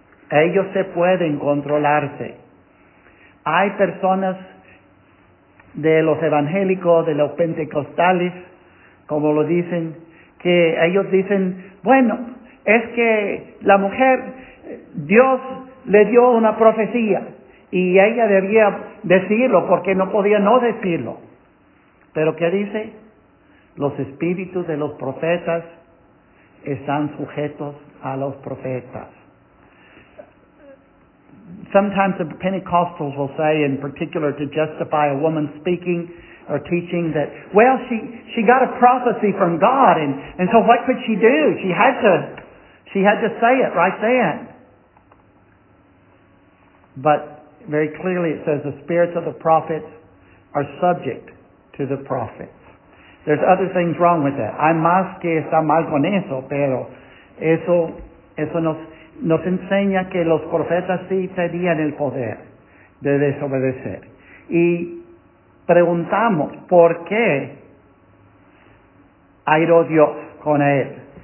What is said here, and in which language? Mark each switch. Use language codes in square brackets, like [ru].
[es] Ellos se pueden controlarse. Hay personas de los evangélicos, de los pentecostales, como lo dicen, que ellos dicen, bueno, es que la mujer, Dios le dio una profecía y ella debía decirlo porque no podía no decirlo. ¿Pero qué dice? Los espíritus de los profetas están sujetos a los profetas. [en] Sometimes the Pentecostals will say, in particular to justify a woman speaking or teaching, that, well, she got a prophecy from God, and so what could she do? She had to say it right then. But very clearly it says the spirits of the prophets are subject to the prophet. There's other things wrong with that. [es] Hay más que está mal con eso, pero eso nos enseña que los profetas sí tenían el poder de desobedecer. Y preguntamos, ¿por qué airó Dios con él?